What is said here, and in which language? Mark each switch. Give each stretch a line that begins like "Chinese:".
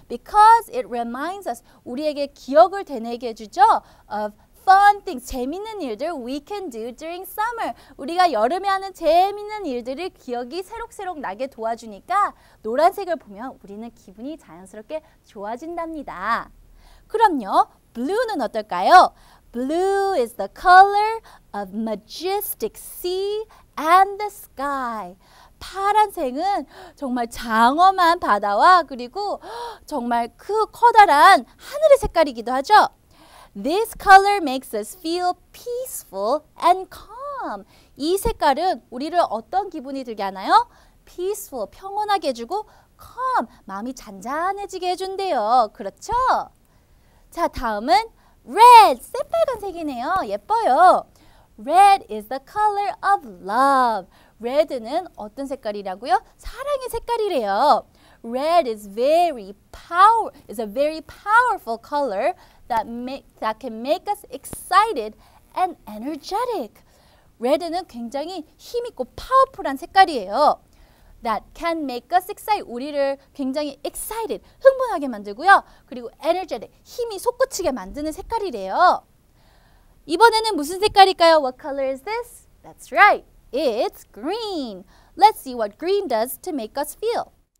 English: Because it reminds us,
Korean: 우리에게 기억을 되뇌게 해주죠?
English: Of fun things,
Korean: 재밌는 일들
English: we can do during summer.
Korean: 우리가 여름에 하는 재밌는 일들을 기억이 새록새록 나게 도와주니까 노란색을 보면 우리는 기분이 자연스럽게 좋아진답니다. 그럼요, blue는 어떨까요?
English: Blue is the color of majestic sea and the sky.
Korean: 파란색은 정말 장엄한 바다와 그리고 정말 그 커다란 하늘의 색깔이기도 하죠.
English: This color makes us feel peaceful and calm.
Korean: 이 색깔은 우리를 어떤 기분이 들게 하나요? Peaceful, 평온하게 해주고 calm, 마음이 잔잔해지게 해준대요. 그렇죠? 자, 다음은 red, 새빨간색이네요. 예뻐요.
English: Red is the color of love.
Korean: Red는 어떤 색깔이라고요? 사랑의 색깔이래요.
English: Red is very is a very powerful color that can make us excited and energetic.
Korean: Red는 굉장히 힘 있고 파워풀한 색깔이에요.
English: That can make us excited.
Korean: 우리를 굉장히
English: excited,
Korean: 흥분하게 만들고요. 그리고 energetic, 힘이 솟구치게 만드는 색깔이래요. 이번에는 무슨 색깔일까요?
English: What color is this? That's right. It's green. Let's see what green does to make us feel.